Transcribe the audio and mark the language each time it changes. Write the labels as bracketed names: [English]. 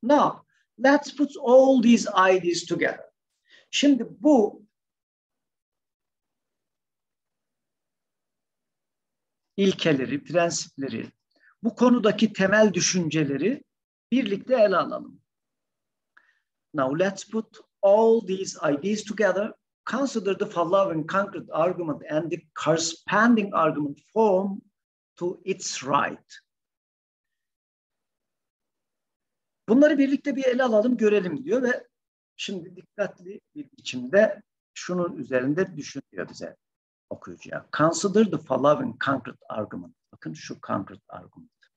[English] Now, let's put all these ideas together. [Turkish] Şimdi bu ilkeleri, prensipleri, bu konudaki temel düşünceleri birlikte ele alalım. [English] Now, let's put all these ideas together. Consider the following concrete argument and the corresponding argument form to its right. [Turkish] Bunları birlikte bir ele alalım, görelim diyor ve şimdi dikkatli bir biçimde şunun üzerinde düşünüyor bize okuyucuya. [English] Consider the following concrete argument. [Turkish] Bakın şu [English] concrete argument.